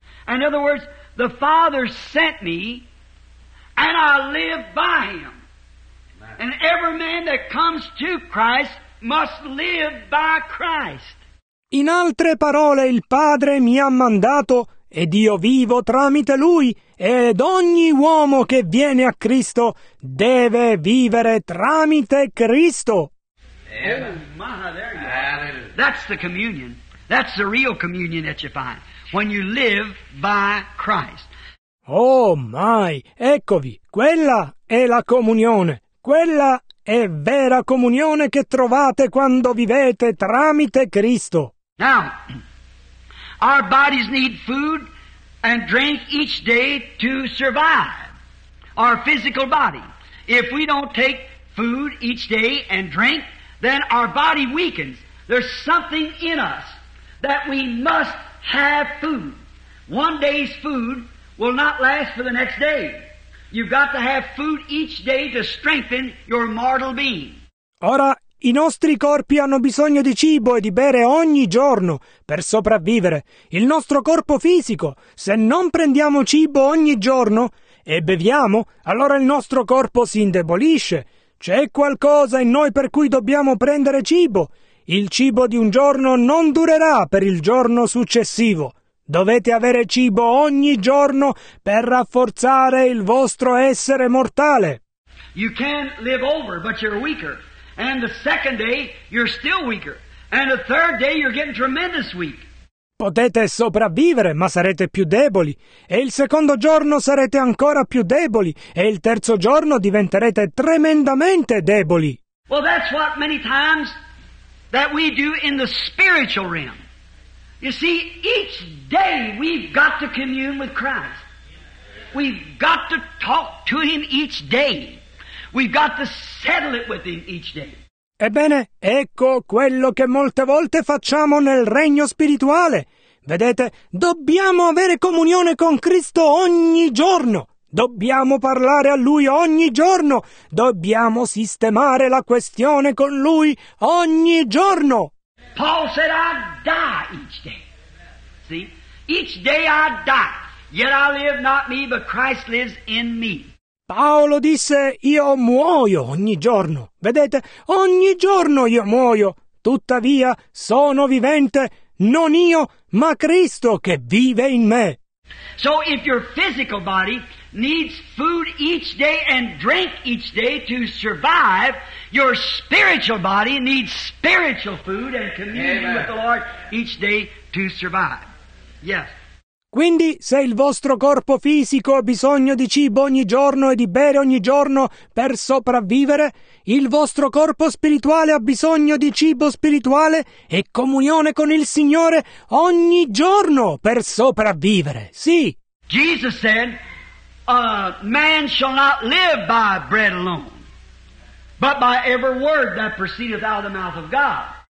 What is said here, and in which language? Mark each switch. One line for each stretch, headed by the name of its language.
English: In other words, the Father sent me, and I live by him. Amen. And every man that comes to Christ must live by Christ.
Italian: In altre parole, il Padre mi ha mandato, ed io vivo tramite Lui, ed ogni uomo che viene a Cristo deve vivere tramite Cristo.
English: Oh, my, there you are. That's the communion. That's the real communion that you find. When you live by Christ. Oh, my,
Italian: eccovi, quella è la comunione. Quella è vera comunione che trovate quando vivete tramite Cristo.
English: Now, our bodies need food and drink each day to survive. Our physical body. If we don't take food each day and drink, then our body weakens. There's something in us that we must have food. One day's food will not last for the next day. You've got to have food each day to strengthen your mortal being.
Italian: Ora, i nostri corpi hanno bisogno di cibo e di bere ogni giorno per sopravvivere. Il nostro corpo fisico, se non prendiamo cibo ogni giorno e beviamo, allora il nostro corpo si indebolisce. C'è qualcosa in noi per cui dobbiamo prendere cibo. Il cibo di un giorno non durerà per il giorno successivo. Dovete avere cibo ogni giorno per rafforzare il vostro essere mortale.
English: You can live over, but you're weaker. And the second day you're still weaker. And the third day you're getting tremendous weak.
Italian: Potete sopravvivere, ma sarete più deboli. E il secondo giorno sarete ancora più deboli. E il terzo giorno diventerete tremendamente deboli.
English: Well, that's what many times that we do in the spiritual realm. You see, each day we've got to commune with Christ. We've got to talk to Him each day. We've got to settle it with Him each day.
Italian: Ebbene, ecco quello che molte volte facciamo nel regno spirituale. Vedete, dobbiamo avere comunione con Cristo ogni giorno. Dobbiamo parlare a Lui ogni giorno. Dobbiamo sistemare la questione con Lui ogni giorno.
English: Paul said, I die each day. See? Each day I die, yet I live not me, but Christ lives in me.
Italian: Paolo disse, io muoio ogni giorno. Vedete, ogni giorno io muoio. Tuttavia, sono vivente, non io, ma Cristo che vive in me.
English: So if your physical body needs food each day and drink each day to survive, your spiritual body needs spiritual food and communion Amen. With the Lord each day to survive. Yes.
Italian: Quindi, se il vostro corpo fisico ha bisogno di cibo ogni giorno e di bere ogni giorno per sopravvivere, il vostro corpo spirituale ha bisogno di cibo spirituale e comunione con il Signore ogni giorno per sopravvivere. Sì!
English: Jesus said, a man shall not live by bread alone, but by every word that proceedeth out of the mouth of God.